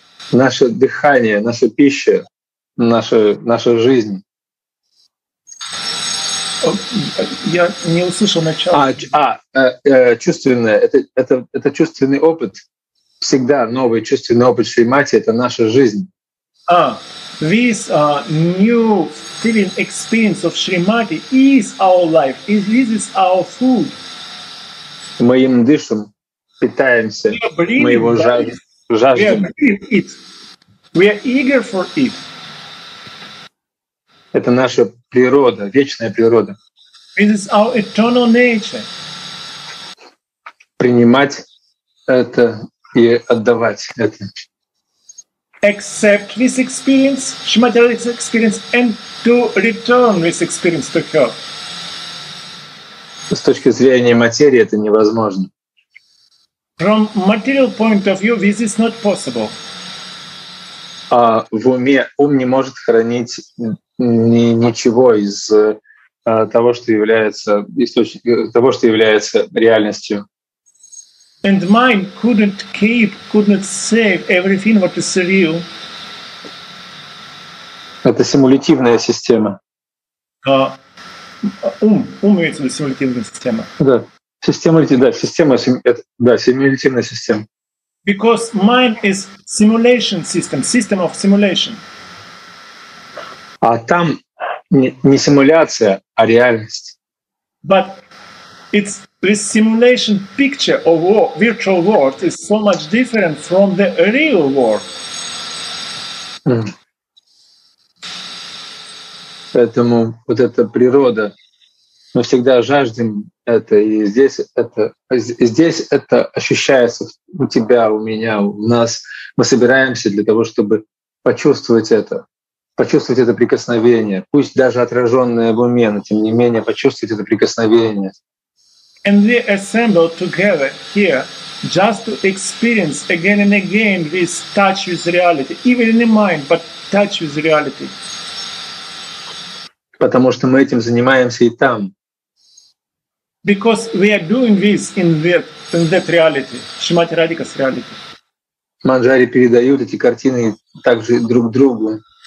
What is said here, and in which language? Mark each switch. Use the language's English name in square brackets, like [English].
[Russian] Наше дыхание, наша пища, наша жизнь. Я не услышал начало. Чувственное. Это чувственный опыт. Всегда новый чувственный опыт Шримати — это наша жизнь. [English] This new feeling experience of Shrimati is our life. This is our food. [Russian] Мы им дышим, питаемся, мы его жаждем. [English] We are eager for it. [Russian] Это наша природа, вечная природа. [English] This is our eternal nature. [Russian] Принимать это и отдавать это. [English] Accept this experience, Shrimati experience, and to return this experience to her. [Russian] С точки зрения материи это невозможно. [English] From material point of view, this is not possible. [Russian] А в уме ум не может хранить ничего из того, что является источником, того, что является реальностью. [English] And mind couldn't keep, couldn't save everything what is real. [Russian] Это симулятивная система. Ум имеет симулятивная система. Да, симулятивная система. [English] Because mind is simulation system, system of simulation. [Russian] А там не симуляция, а реальность. [English] But it's this simulation picture of virtual world is so much different from the real world. [Russian] Поэтому вот эта природа, мы всегда жаждем это, и здесь это ощущается у тебя, у меня, у нас. Мы собираемся для того, чтобы почувствовать это. Почувствовать это прикосновение, пусть даже отраженное в уме, но тем не менее почувствовать это прикосновение. [English] And we assemble together here just to experience again and again this touch with reality, even in the mind, but touch with reality. [Russian] Потому что мы этим занимаемся и там. [English] Because we are doing this in that reality, Шримати Радхика's reality. [Russian] Манджари передают эти картины также друг другу.